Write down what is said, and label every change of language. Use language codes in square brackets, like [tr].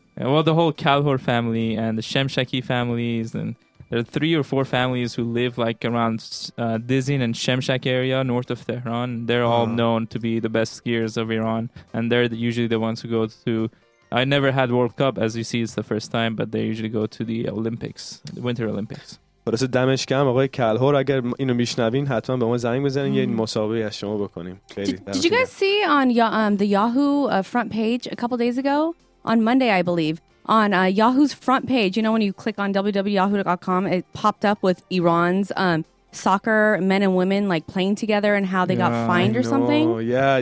[en] Yeah, well, the whole Calhoun family and the Shemshaki families, and there are three or four families who live like around Dizin and Shemshak area north of Tehran. They're all known to be the best skiers of Iran, and they're usually the ones who go to... I never had World Cup, as you see, it's the first time, but they usually go to the Olympics, the Winter Olympics. [fa] خلاص دمش گرم آقای کلهر اگر اینو میشنوین حتما به ما زنگ بزنین یه مسابقه از شما بکنیم خیلی [en] Did you guys see on the Yahoo front page a couple days ago on Monday I believe on Yahoo's front page you know when you click on www.yahoo.com it popped up with Iran's soccer men and women like playing together and how they got fined or something Yeah.